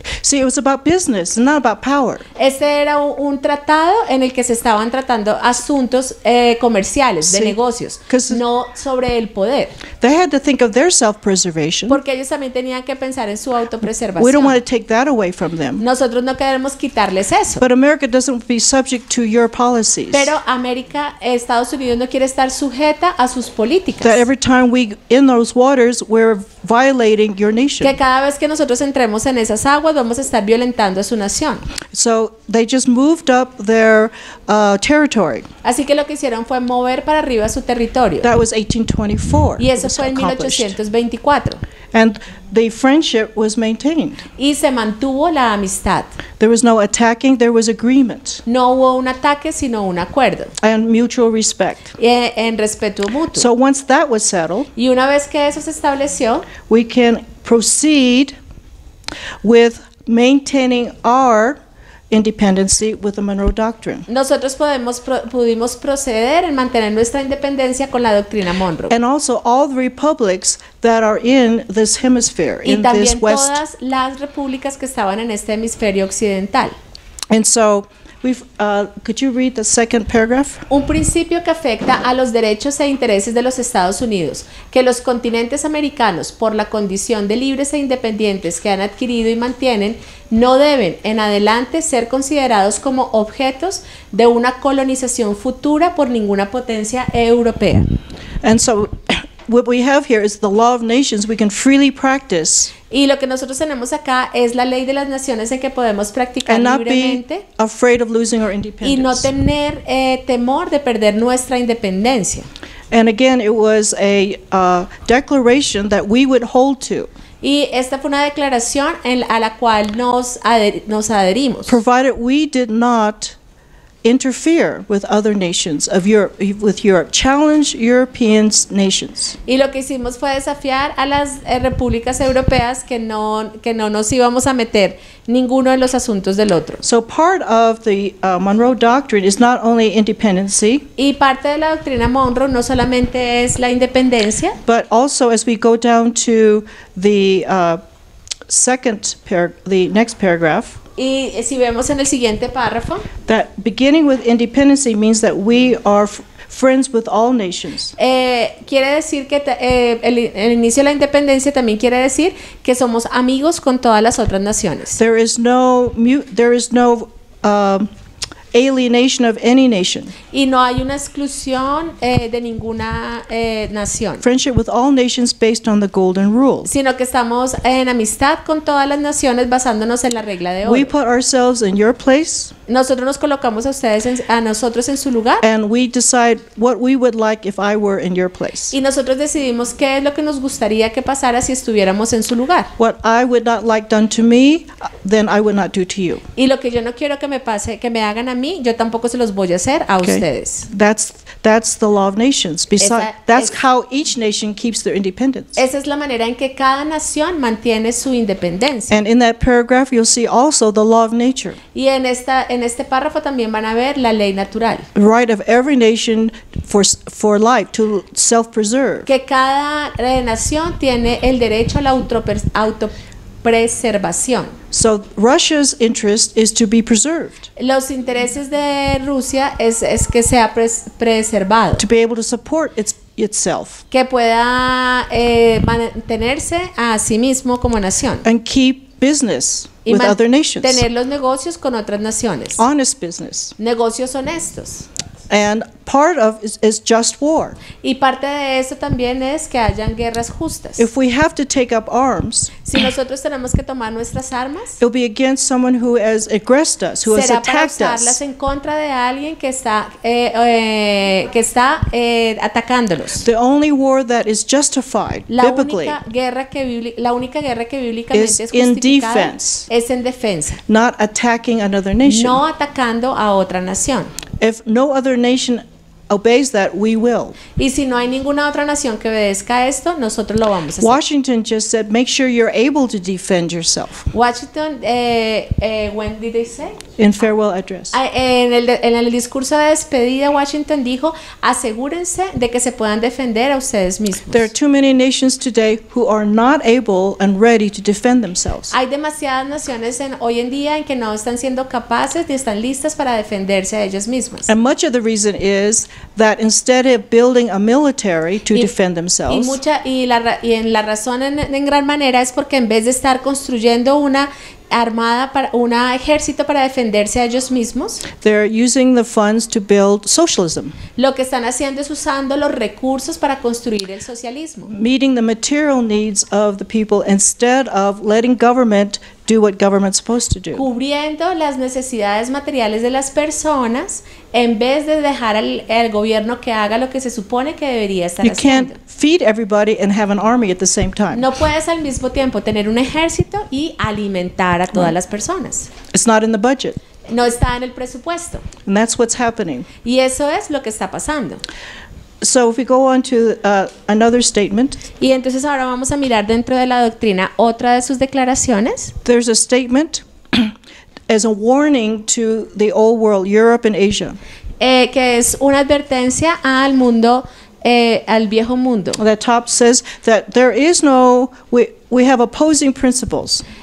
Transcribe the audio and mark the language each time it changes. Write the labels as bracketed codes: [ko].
[en] See, it was about business, not about power. [es] Este era un tratado en el que se estaban tratando asuntos comerciales, de negocios, no sobre el poder. [en] They had to think of their self-preservation. [es] Porque ellos también tenían que pensar en su autopreservación. [en] We don't want to take that away from them. [es] Nosotros no queremos quitarles eso. [en] But America doesn't be subject to your policies. [es] Pero América, Estados Unidos no quiere estar sujeta a sus políticas. [en] That every time we in those waters, we're violating your nation. [es] Que cada vez que nosotros entremos en esas aguas vamos a estar violentando a su nación. [en] So they just moved up their territory. [es] Así que lo que hicieron fue mover para arriba su territorio. [en] That was 1824. [es] Y eso fue en 1824. [en] And the friendship was maintained. [es] Y se mantuvo la amistad. [en] There was no attacking, there was agreement. [es] No hubo un ataque, sino un acuerdo. [en] And mutual respect. [es] En respeto mutuo. [en] So once that was settled, [es] y una vez que eso se estableció, [en] we can proceed with maintaining our independency with the Monroe Doctrine. [es] Nosotros pudimos proceder en mantener nuestra independencia con la doctrina Monroe. [en] And also all the republics that are in this hemisphere, [es] y [en] in this west. [es] Y también todas las repúblicas que estaban en este hemisferio occidental. [en] And so, could you read the second paragraph? [es] Un principio que afecta a los derechos e intereses de los Estados Unidos, que los continentes americanos, por la condición de libres e independientes que han adquirido y mantienen, no deben, en adelante, ser considerados como objetos de una colonización futura por ninguna potencia europea. [en] And so, what we have here is the law of nations we can freely practice. [es] Y lo que nosotros tenemos acá es la ley de las naciones en que podemos practicar [en] and [es] libremente. [en] Not be afraid of losing our independence. [es] Y no tener temor de perder nuestra independencia. [en] And again, it was a declaration that we would hold to. [es] Y esta fue una declaración a la cual nos adherimos. [en] Provided we did not interfere with other nations of Europe, with Europe, challenge European nations. [es] Y lo que hicimos fue desafiar a las repúblicas europeas que no nos íbamos a meter ninguno en los asuntos del otro. [en] So part of the Monroe Doctrine is not only independency. [es] Y parte de la doctrina Monroe no solamente es la independencia. [en] But also, as we go down to the the next paragraph. [es] Y si vemos en el siguiente párrafo, [en] that beginning with independency means that we are friends with all nations. [es] Quiere decir que el inicio de la independencia también quiere decir que somos amigos con todas las otras naciones. [en] There is no alienation of any nation. [es] Y no hay una exclusión de ninguna nación. [en] Friendship with all nations based on the golden rule. [es] Sino que estamos en amistad con todas las naciones basándonos en la regla de oro. [en] We put ourselves in your place. [es] Nosotros nos colocamos a ustedes a nosotros en su lugar. [en] And we decide what we would like if I were in your place. [es] Y nosotros decidimos qué es lo que nos gustaría que pasara si estuviéramos en su lugar. [en] What I would not like done to me, then I would not do to you. [es] Y lo que yo no quiero que me pase, que me hagan a mí, yo tampoco se los voy a hacer a ustedes. [en] That's the law of nations. How each nation keeps their independence. [es] Esa es la manera en que cada nación mantiene su independencia. [en] And in that paragraph, you'll see also the law of nature. [es] Y en este párrafo también van a ver la ley natural. [en] Right of every nation for life to self-preserve. [es] Que cada nación tiene el derecho a la autopreservación. [en] So Russia's interest is to be preserved. [es] Los intereses de Rusia es que sea preservado. [en] To be able to support itself. [es] Que pueda mantenerse a sí mismo como nación. [en] And keep business with other nations. [es] Tener los negocios con otras naciones. [en] Honest business. [es] Negocios honestos. [en] And part of is just war. [es] Y parte de eso también es que hayan guerras justas. [en] If we have to take up arms, [es] si nosotros tenemos que tomar nuestras armas, [en] it'll be against someone who has aggressed us, who has attacked us. [es] Será para usarlas en contra de alguien que está atacándolos. [en] The only war that is justified biblically, [es] la única guerra que bíblicamente es justificada, [en] in defense, [es] es en defensa. [en] Not attacking another nation. [es] No atacando a otra nación. [en] If no other nation obeys that, we will. [es] Y si no hay ninguna otra nación que obedezca esto, nosotros lo vamos a hacer. [en] Washington just said, make sure you're able to defend yourself. Washington, when did they say? In farewell address. [es] En el discurso de despedida, Washington dijo, asegúrense de que se puedan defender a ustedes mismos. [en] There are too many nations today who are not able and ready to defend themselves. [es] Hay demasiadas naciones hoy en día en que no están siendo capaces ni están listas para defenderse a ellas mismas. [en] And much of the reason is that instead of building a military to defend themselves, [es] y la razón en gran manera es porque en vez de estar construyendo una armada para un ejército para defenderse a ellos mismos, [en] they're using the funds to build socialism. [es] Lo que están haciendo es usando los recursos para construir el socialismo. [en] Meeting the material needs of the people instead of letting government do what government's supposed to do. [es] Cubriendo las necesidades materiales de las personas en vez de dejar al el gobierno que haga lo que se supone que debería estar [en] you [es] haciendo. [en] Can't feed everybody and have an army at the same time. [es] No puedes al mismo tiempo tener un ejército y alimentar a todas las personas. [en] It's not in the budget. [es] No está en el presupuesto. [en] And that's what's happening. [es] Y eso es lo que está pasando. [en] So if we go on to another statement. [es] Y entonces ahora vamos a mirar dentro de la doctrina otra de sus declaraciones. [en] There's a statement as a warning to the old world, Europe and Asia. [es] Que es una advertencia al mundo, al viejo mundo. [en] The top says that there is no, we have opposing principles.